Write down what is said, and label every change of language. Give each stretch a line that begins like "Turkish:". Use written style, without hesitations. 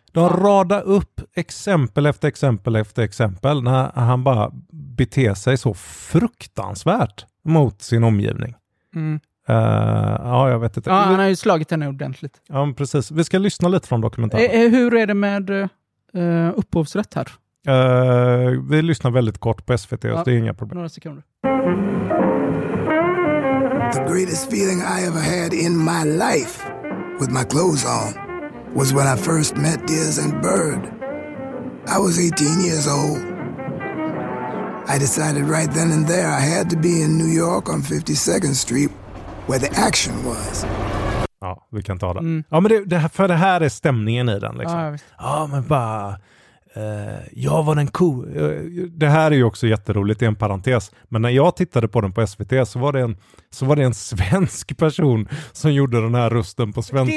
Swedish: De radar upp exempel efter exempel efter exempel när han bara beter sig så fruktansvärt mot sin omgivning. Mm. Ja, jag vet inte. Ja, han har ju slagit henne ordentligt. Ja, men precis. Vi ska lyssna lite från dokumentären. Hur är det med upphovsrätt här? Vi lyssnar väldigt kort på SVT, ja. Så det är inga problem. Några sekunder.
English: The greatest feeling I ever had in my life with my clothes on was when I first met Diaz and Bird. I was 18 years old. I decided right then and there I had to be in New York on 52nd Street. Where the action was.
Swedish: Ja, vi kan ta det. Mm. Ja, men för det här är stämningen i den. Liksom. Ja, ja, men bara... jag var den cool. Det här är ju också jätteroligt, i en parentes. Men när jag tittade på den på SVT så var det en svensk person som gjorde den här rösten på svenska.